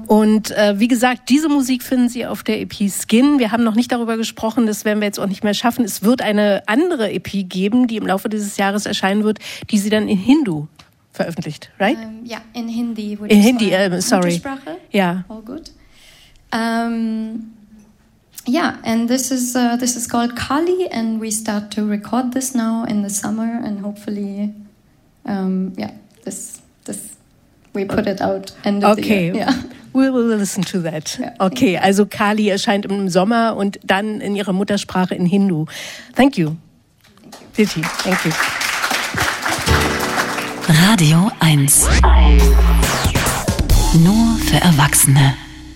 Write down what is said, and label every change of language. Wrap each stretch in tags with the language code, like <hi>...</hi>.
<de>Und wie gesagt, diese Musik finden Sie auf der EP Skin. Wir haben noch nicht darüber gesprochen, das werden wir jetzt auch nicht mehr schaffen. Es wird eine andere EP geben, die im Laufe dieses Jahres erscheinen wird, die Sie dann in Hindu veröffentlicht, right? Ja, in Hindi. In Hindi, sorry. Muttersprache? Ja.</de> <en>All good. Yeah, and this is called Kali, and we start to record this now in the summer, and hopefully, we put it out end of okay. The year. Okay, we will listen to that. Yeah.</en> <de>Okay, also Kali erscheint im Sommer und dann in ihrer Muttersprache in Hindu.</de> <en>Thank you. Thank you. Diti, thank you.</en> <de>Radio 1. Nur für Erwachsene.</de>